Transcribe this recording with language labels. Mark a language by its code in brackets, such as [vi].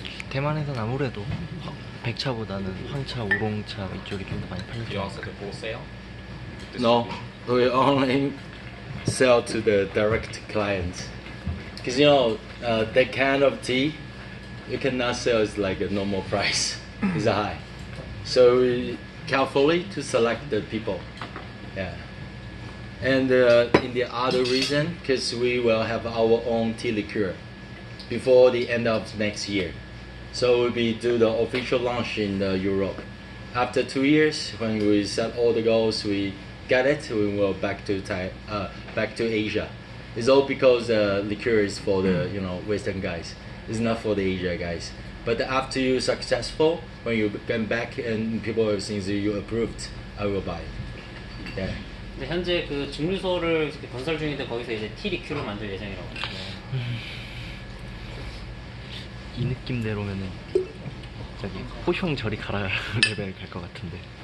[ko] 대만에서 아무래도 백차보다는 황차, 우롱차 이쪽이 좀 더 많이 팔려요. [en] You also the full sale? No, we only sell to the direct clients. Because you know, that kind of tea, you cannot sell it like a normal price. It's high. So we carefully to select the people. Yeah. And in the other reason, because we will have our own tea liqueur before the end of next year. So we'll be do the official launch in Europe. After 2 years, when we set all the goals, we get it, we will back to back to Asia. It's all because liqueur is for the you know Western guys. It's not for the Asia guys. But after you successful, when you come back and people have seen you approved, I will buy it. Yeah. [ko] 근데 현재 그 증류소를 건설 중인데 거기서 이제 티 리큐를 만들 예정이라고. 이 느낌대로면은 저기 호숑 저리 가라 레벨 갈 것 같은데.